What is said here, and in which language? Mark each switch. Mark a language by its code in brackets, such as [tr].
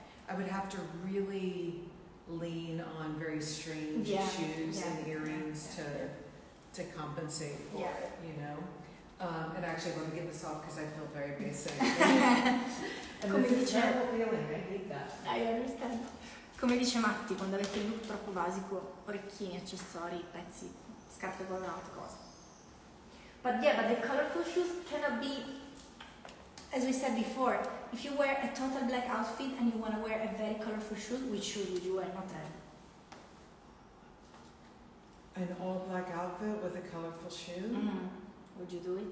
[en] I would have to really lean on very strange shoes and earrings to compensate for it, you know? And actually, let me get this off because I feel very basic. And come this is a terrible feeling, I hate that. I understand. [it] Come dice Matti, quando avete il look troppo basico, orecchini, accessori, pezzi, scarpe con un'altra cosa. [en] But yeah, but the colorful shoes cannot be, as we said before, if you wear a total black outfit and you want to wear a very colorful shoe, which shoe would you wear, not that? An all black outfit with a colorful shoe? Mm-hmm. Would you do it?